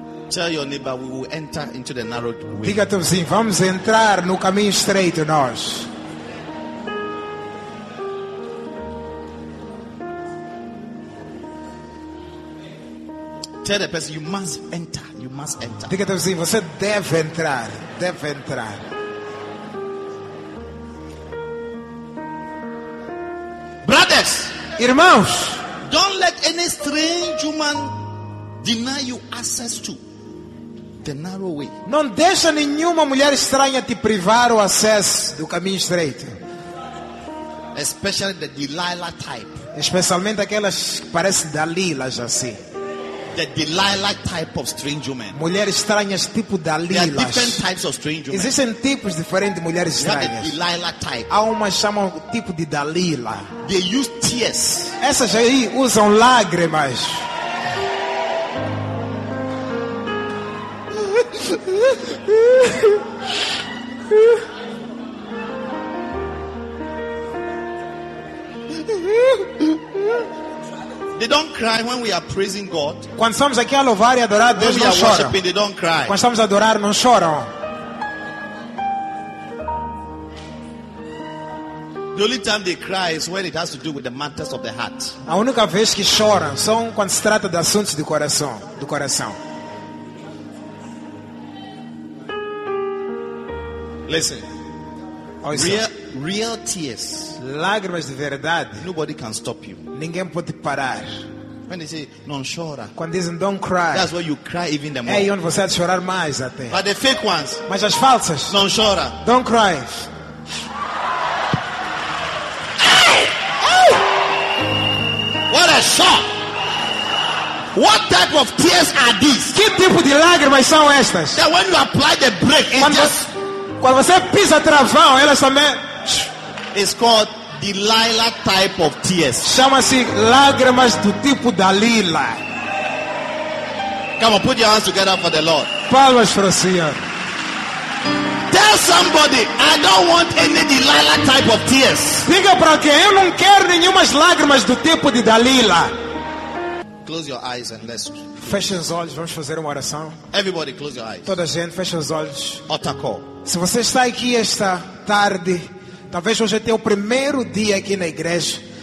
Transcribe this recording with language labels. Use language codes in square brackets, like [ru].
[en] Tell your neighbor we will enter into the narrow way. [pt] Diga teu vizinho, vamos entrar no caminho estreito nós. [en] Tell the person you must enter, you must enter. [pt] Diga teu vizinho, você deve entrar, deve entrar. [en] Brothers, [pt] irmãos, [en] don't let any strange woman deny you access to the narrow way. [pt] Não deixa nenhuma mulher estranha te privar o acesso do caminho estreito. [en] Especially the Delilah type. [pt] Especialmente aquelas que parecem Dalila, já sei. [en] The Delilah type of strange woman. [pt] Mulheres estranhas tipo Dalila. [en] There are different types of strange women. [pt] Existem tipos diferentes de mulheres estranhas. [en] The Delilah type. [pt] Há uma chamam tipo de Dalila. [en] They use tears. [pt] Essas aí usam lágrimas. [en] They don't cry when we are praising God. [pt] Quando estamos aqui a louvar e adorar, Deus não chora. [en] They don't cry. [pt] Quando estamos a adorar, não choram. [en] The only time they cry is when it has to do with the matters of the heart. [pt] A única vez que choram são quando se trata de assuntos do coração, [en] Listen. Real tears. [pt] Lágrimas de verdade. [en] Nobody can stop you. [pt] Ninguém pode parar. [en] When they say, [pt] "Não chora." Quando dizem, [en] "Don't cry." That's where you cry even the more. [pt] É onde você chorar mais até. [en] But the fake ones. [pt] Mas as falsas. Não chora. [en] Don't cry. Ow! What a shock! What type of tears are these? [pt] Que tipo de lágrimas são estas? [en] That when you apply the brake, it [pt] quando [en] just [pt] quando você pisa travão, elas também. [en] It's called Delilah type of tears. [pt] Chama-se lágrimas do tipo Dalila. [en] Come on, put your hands together for the Lord. [pt] Palmas para o Senhor. [en] Tell somebody, I don't want any Delilah type of tears. [pt] Diga para alguém, eu não quero nenhumas lágrimas do tipo de Dalila. [en] Close your eyes and let's. [pt] Feche os olhos, vamos fazer uma oração. [en] Everybody, close your eyes. [pt] Toda gente, feche os olhos. Otako. Se você está aqui esta tarde, talvez hoje tenha o primeiro dia aqui na igreja.